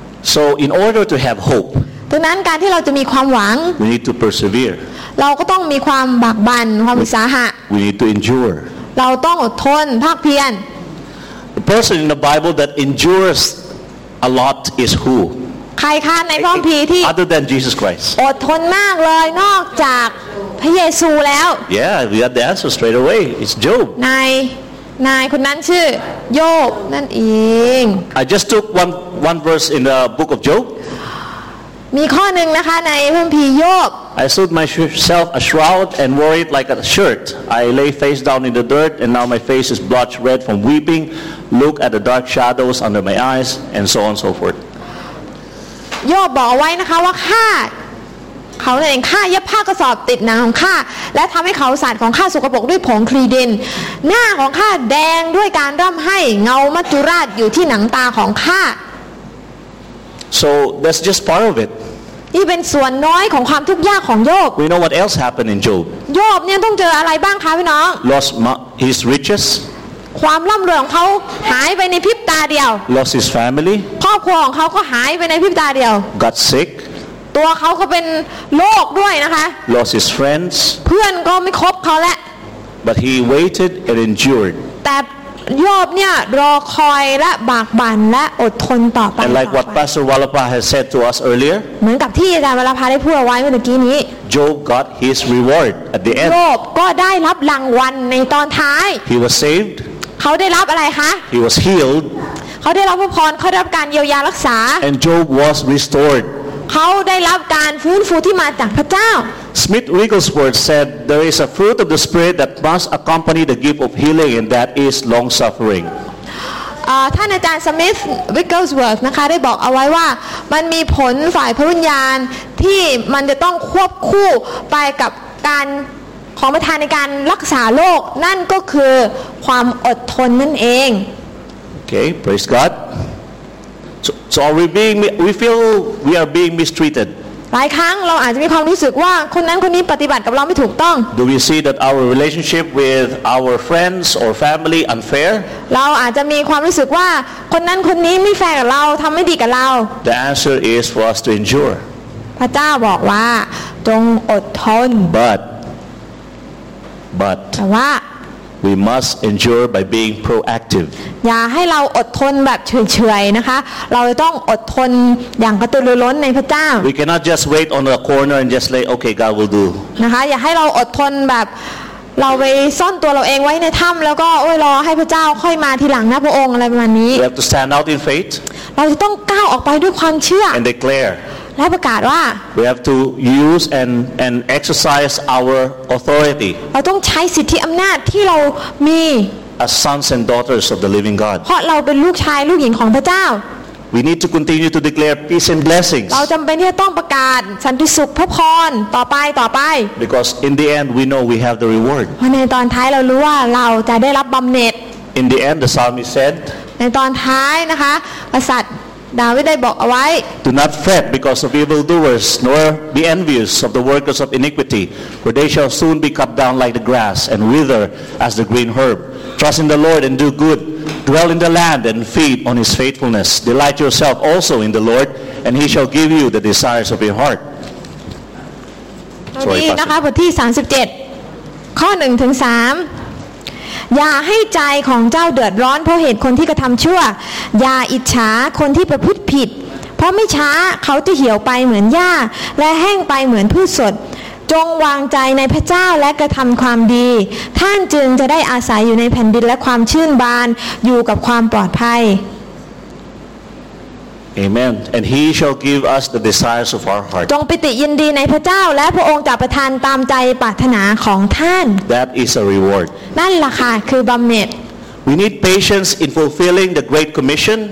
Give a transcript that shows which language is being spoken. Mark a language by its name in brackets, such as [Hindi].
[English] Because we know that tribulation causes [Thai] ดังนั้นการที่เราจะมีความหวัง [English] We need to persevere [Thai] เราก็ต้องมีความบากบั่นความอุตสาหะ [English] We need to endure [Thai] เราต้องอดทนภาคเพียร [English] The person in the Bible that endures a lot is who [Thai] ใครคะในพระคัมภีร์ที่ [English] Other than Jesus Christ [Thai] อดทนมากเลยนอกจากพระเยซูแล้ว [English] Yeah we have the answer straight away it's Job [Thai] นายคนนั้นชื่อโยบนั่นเอง [English] I just took one verse in the book of Job [Thai] มีข้อหนึ่งนะคะในพระคัมภีร์โยบ [English] I sewed myself a shroud and wore it like a shirt. I lay face down in the dirt and now my face is blotched red from weeping. Look at the dark shadows under my eyes and so on and so forth. [Thai] โยบบอกไว้นะคะว่าข้าเขาเองข้าเย็บผ้ากระสอบติดหนังของข้าและทำให้เขาสาดของข้าสกปรกด้วยผงครีเดนหน้าของข้าแดงด้วยการร่ำไห้เงามัจจุราชอยู่ที่หนังตาของข้า [English] So that's just part of it. [Thai] นี่เป็นส่วนน้อยของความทุกข์ยากของโยบ [English] We know what else happened in Job. [Thai] โยบเนี่ยต้องเจออะไรบ้างคะพี่น้อง [English] Lost his riches. [Thai] ความร่ำรวยของเขาหายไปในพริบตาเดียว [English] Lost his family. [Thai] ครอบครัวของเขาก็หายไปในพริบตาเดียว [English] Got sick. [Thai] ตัวเขาก็เป็นโรคด้วยนะคะ [English] Lost his friends. [Thai] เพื่อนก็ไม่คบเขาแล้ว [English] But he waited and endured. [Thai] แต่โยบเนี่ยรอคอยและบากบั่นและอดทนต่อไป [English] And like what Pastor Walapa has said to us earlier [Thai] เหมือนกับที่อาจารย์วรภาได้พูดเอาไว้เมื่อกี้นี้ [English] Job got his reward at the end [Thai] โยบก็ได้รับรางวัลในตอนท้าย [English] He was saved [Thai] เขาได้รับอะไรคะ [English] He was healed [Thai] เขาได้รับพระพรเขาได้รับการเยียวยารักษา [English] And Job was restored [Thai] เขาได้รับการฟื้นฟูที่มาจากพระเจ้า [English] Smith Wigglesworth said, "There is a fruit of the spirit that must accompany the gift of healing, and that is long-suffering." [Thai] ท่านอาจารย์ Smith Wigglesworth นะคะได้บอกเอาไว้ว่ามันมีผลฝ่ายพระวิญญาณที่มันจะต้องควบคู่ไปกับการของประทานในการรักษาโรคนั่นก็คือความอดทนนั่นเอง [English] Okay, praise God. So are we being? We feel we are being mistreated. [Thai] หลายครั้งเราอาจจะมีความรู้สึกว่าคนนั้นคนนี้ปฏิบัติกับเราไม่ถูกต้อง [English] Do we see that our relationship with our friends or family unfair? [Thai] เราอาจจะมีความรู้สึกว่าคนนั้นคนนี้ไม่แฟร์กับเราทำไม่ดีกับเรา [English] The answer is for us to endure. [Thai] พระเจ้าบอกว่าต้องอดทน [English] But [Thai] ว่า [English] We must endure by being proactive. [Thai] อย่าให้เราอดทนแบบเฉยๆนะคะเราต้องอดทนอย่างกระตือรือร้นในพระเจ้า [English] We cannot just wait on the corner and just say, "Okay, God will do." [Thai] นะคะอย่าให้เราอดทนแบบเราไปซ่อนตัวเราเองไว้ในถ้ำแล้วก็รอให้พระเจ้าค่อยมาทีหลังนะพระองค์อะไรประมาณนี้ [English] We have to stand out in faith. [Thai] เราจะต้องก้าวออกไปด้วยความเชื่อ [English] And declare. [Thai] และประกาศว่า [English] We have to use and exercise our authority [Thai] เราต้องใช้สิทธิอำนาจที่เรามี [English] as sons and daughters of the living God [Thai] เพราะเราเป็นลูกชายลูกหญิงของพระเจ้า [English] We need to continue to declare peace and blessings. [Thai] เราจำเป็นที่จะต้องประกาศสันติสุขพระพรต่อไป [English] Because in the end we know we have the reward. [Thai] เพราะในตอนท้ายเรารู้ว่าเราจะได้รับบำเหน็จ [English] In the end the psalmist said. [Thai] ในตอนท้ายนะคะกษัตริย์ดาวิดได้บอกเอาไว้ [English] Do not fret because of evil doers nor be envious of the workers of iniquity for they shall soon be cut down like the grass and wither as the green herb Trust in the Lord and do good dwell in the land and feed on his faithfulness delight yourself also in the Lord and he shall give you the desires of your heart Sorry, [Thai] นะคะบทที่37ข้อ1ถึง3อย่าให้ใจของเจ้าเดือดร้อนเพราะเหตุคนที่กระทำชั่วอย่าอิจฉาคนที่ประพฤติผิดเพราะไม่ช้าเขาจะเหี่ยวไปเหมือนหญ้าและแห้งไปเหมือนพืชสดจงวางใจในพระเจ้าและกระทำความดีท่านจึงจะได้อาศัยอยู่ในแผ่นดินและความชื่นบานอยู่กับความปลอดภัย [English] Amen and he shall give us the desires of our heart [Thai] จงปิติยินดีในพระเจ้าและพระองค์จะประทานตามใจปรารถนาของท่าน [English] That is a reward [Thai] นั่นล่ะค่ะคือบำเหน็จ [English] We need patience in fulfilling the great commission